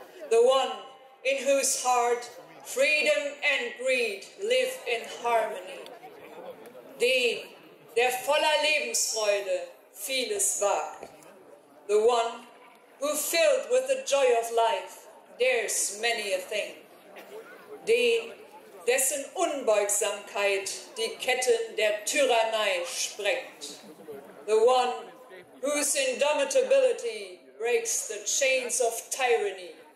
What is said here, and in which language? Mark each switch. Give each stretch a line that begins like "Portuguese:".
English: The one in whose heart freedom and greed live in harmony.
German: Den, der voller Lebensfreude vieles wagt.
English: The one who filled with the joy of life dares many a thing.
German: Den, dessen Unbeugsamkeit die Ketten der Tyrannei sprengt.
English: The one whose indomitability breaks the chains of tyranny.